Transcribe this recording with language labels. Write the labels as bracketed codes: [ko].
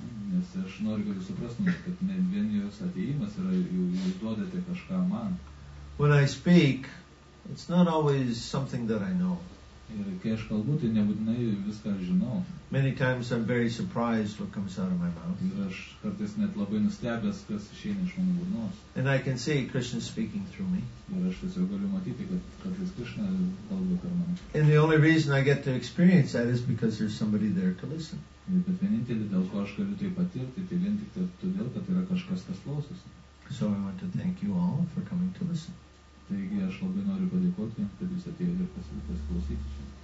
[lt] Nes aš noriu, kad jūs suprastumėte, kad ne vien jūs ateimas yra, jūs duodate kažką man. [en] When I speak, it's not always something that I know. [lt] Ir kai aš kalbu, tai nebūtinai viską žinau. [en] Many times I'm very surprised what comes out of my mouth. [lt] Ir aš kartais net labai nustebęs, kas išeina iš mano burnos. [en] And I can see Krishna speaking through me. [lt] Ir aš tiesiog galiu matyti, kad kartais Krishna kalba per mane. [en] And the only reason I get to experience that is because there's somebody there to listen. [lt] Bet vienintelį, dėl ko aš galiu tai patirti, tai vien tik todėl, kad yra kažkas, kas klausosi. [en] So I want to thank you all for coming to listen. [lt] Taigi aš labai noriu padėkoti, kad jūs atėjote ir pasiūlytės klausyti.